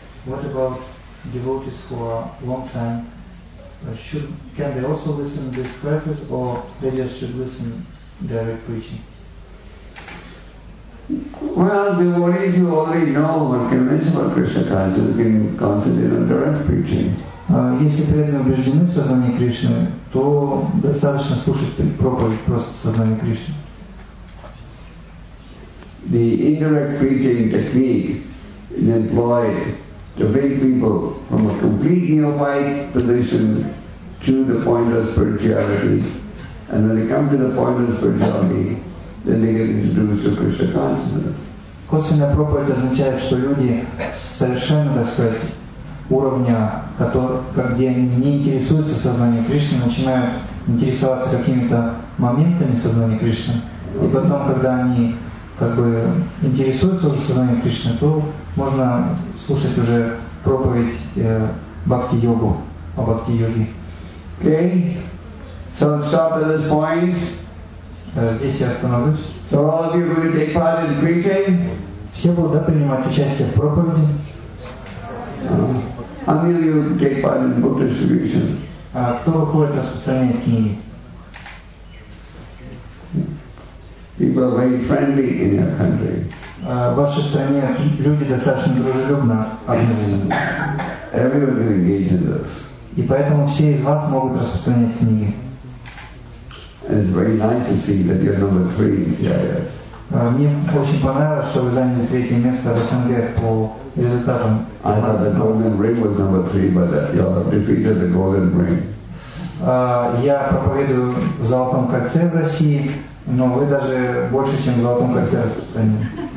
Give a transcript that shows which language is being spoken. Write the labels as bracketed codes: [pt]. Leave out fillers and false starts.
[en] What about devotees who are long time? Can they also listen to this preface, or they just should listen direct preaching? Well, devotees who already know what conventional Krishna consciousness can concentrate on direct preaching. [ru] Если преданные убеждены в сознании Кришны, то достаточно слушать проповедь просто в сознании Кришны. [en] The indirect preaching technique is employed to bring people from a complete neophyte position to the point of spirituality. And when they come to the point of spirituality, then they get introduced to Krishna consciousness. [ru] Косвенная проповедь означает, что люди совершенно, так сказать, уровня, где они не интересуются сознанием Кришны, начинают интересоваться какими-то моментами сознания Кришны. И потом, когда они интересуются уже сознанием Кришны, то можно слушать уже проповедь Бхакти-йогу, о Бхакти-йоге. [en] Okay. So stop at this point. [ru] Здесь я остановлюсь. [en] So all of you will take part in preaching. [ru] Все будут, да, принимать участие в проповеди. [en] How many of you take part in book distribution? [ru] Кто выходит на распространение книги? [en] People are very friendly in your country. [ru] В вашей стране люди достаточно дружелюбно отношены. [en] Everyone can engage in this. [ru] И поэтому все из вас могут распространять книги. [en] And it's very nice to see that you're number 3 in CIS. [ru] Мне очень понравилось, что вы заняли третье место в СНГ по результатам. [en] I thought the Golden Ring was number 3, but you all defeated the Golden Ring. [ru] Я проповедую в Золотом кольце в России, но вы даже больше, чем в Золотом кольце в стране.